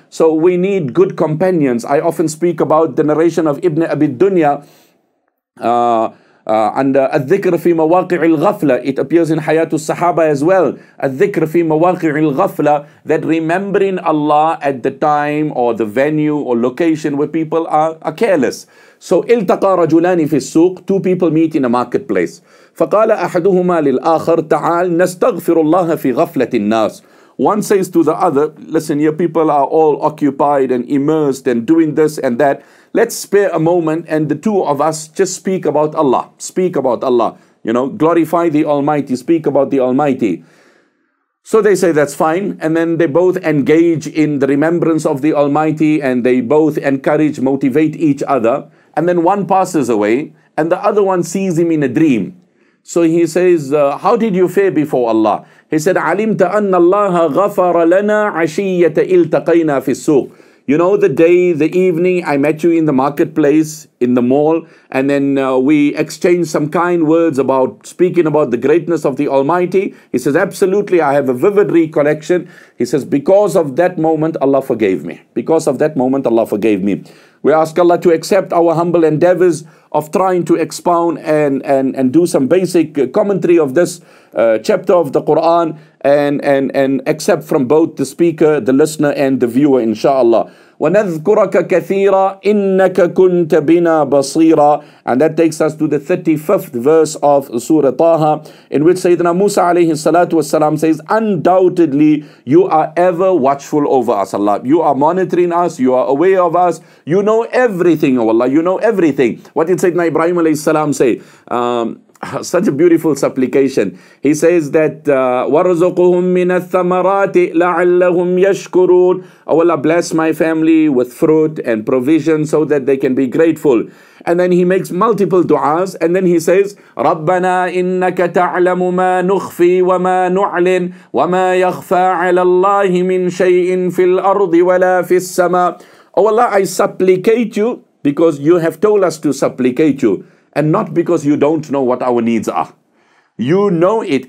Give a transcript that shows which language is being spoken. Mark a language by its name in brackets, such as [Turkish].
[English] So we need good companions. I often speak about the narration of Ibn Abi Dunya under [Arabic] الذكر في مواقع الغفلة. [English] It appears in Hayat al-Sahaba as well. [Arabic] الذكر في مواقع الغفلة, [English] that remembering Allah at the time or the venue or location where people are careless. So [Arabic] التقى رجلان في السوق, [English] two people meet in a marketplace. [Arabic] فقال أحدهما للآخر تعال نستغفر الله في غفلة الناس. [English] One says to the other, listen, your people are all occupied and immersed and doing this and that. Let's spare a moment and the two of us just speak about Allah. Speak about Allah. Glorify the Almighty. Speak about the Almighty. So they say that's fine. And then they both engage in the remembrance of the Almighty and they both encourage, motivate each other. And then one passes away and the other one sees him in a dream. So he says, how did you fare before Allah? He said, [Arabic] عَلِمْتَ أَنَّ اللَّهَ غَفَرَ لَنَا عَشِيَّةَ إِلْتَقَيْنَا فِي السُّوقِ. [English] You know, the day, the evening, I met you in the marketplace, in the mall, and then we exchanged some kind words about speaking about the greatness of the Almighty. He says, absolutely, I have a vivid recollection. He says, because of that moment, Allah forgave me. Because of that moment, Allah forgave me. We ask Allah to accept our humble endeavors of trying to expound and do some basic commentary of this chapter of the Quran, and accept from both the speaker, the listener, and the viewer, inshallah. [Arabic] وَنَذْكُرَكَ كَثِيرًا إِنَّكَ كُنْتَ بِنَا بَصِيرًا. [English] And that takes us to the 35th verse of Surah Taha, in which Sayyidina Musa alayhi salatu wasalam says, undoubtedly, you are ever watchful over us, Allah. You are monitoring us, you are aware of us, you know everything, O Allah, you know everything. What did Sayyidina Ibrahim alayhi salam say? such a beautiful supplication. He says that, [Arabic] وَرْزُقُهُمْ مِنَ الثَّمَرَاتِ لَعَلَّهُمْ يَشْكُرُونَ. [English] Oh Allah, bless my family with fruit and provision so that they can be grateful. And then he makes multiple du'as, and then he says, [Arabic] رَبَّنَا إِنَّكَ تَعْلَمُ مَا نُخْفِي وَمَا نُعْلِنْ وَمَا يَخْفَى عَلَى اللَّهِ مِنْ شَيْءٍ فِي الْأَرْضِ وَلَا فِي السَّمَاءِ. [English] Oh Allah, I supplicate you because you have told us to supplicate you, and not because you don't know what our needs are. You know it.